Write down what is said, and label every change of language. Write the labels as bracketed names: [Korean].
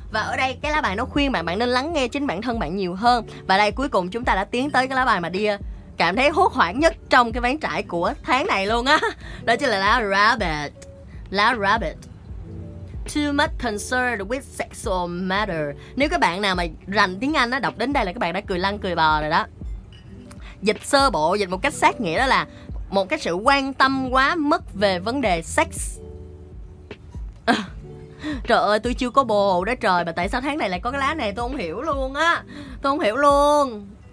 [Vietnamese] Và ở đây cái lá bài nó khuyên bạn, bạn nên lắng nghe chính bản thân bạn nhiều hơn. Và đây cuối cùng chúng ta đã tiến tới cái lá bài mà Đi cảm thấy hốt hoảng nhất trong cái ván trải của tháng này luôn á. Đó chính là lá rabbit. [English] Too much concerned with sexual matter. [Vietnamese] Nếu các bạn nào mà rành tiếng Anh á, đọc đến đây là các bạn đã cười lăn cười bò rồi đó. Dịch sơ bộ, dịch một cách sát nghĩa đó là một cái sự quan tâm quá mức về vấn đề sex. Trời ơi, tôi chưa có bồ đó trời, mà tại sao tháng này lại có cái lá này, tôi không hiểu luôn.